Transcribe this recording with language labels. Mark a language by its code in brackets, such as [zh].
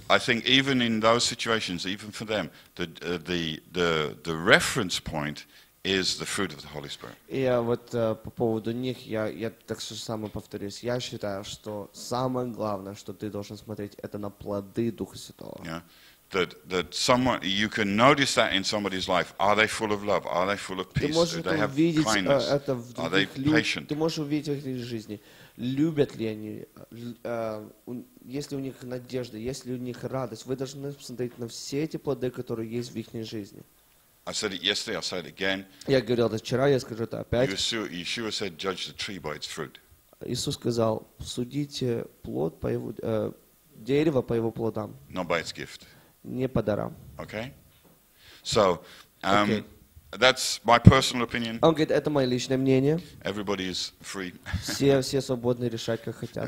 [en] I think even in those situations, even for them, the reference point is the fruit of the Holy Spirit. [ru] Я вот по поводу них я так же самое повторюсь. Я считаю, что самое главное, что ты должен смотреть, это на плоды Духа Святого. Yeah. [en] That someone, you can notice that in somebody's life. Are they full of love? Are they full of peace? Do they have kindness? Are they patient? [ru] Ты можешь увидеть в их жизни, любят ли они, есть ли у них надежда, есть ли у них радость. Вы должны смотреть на все эти плоды, которые есть в их жизни. [en] I said it yesterday. I'll say it again. [ru] Я говорил это вчера, я скажу это опять. [en] Yeshua said, "Judge the tree by its fruit." [ru] Иисус сказал, судите плод по его дерево по его плодам. [en] Not by its gift. [ru] Не по дарам. [en] Okay. So, okay. That's my personal opinion. [ru] Он говорит, это мое личное мнение. [en] Everybody is free. [ru] Все свободны решать, как хотят.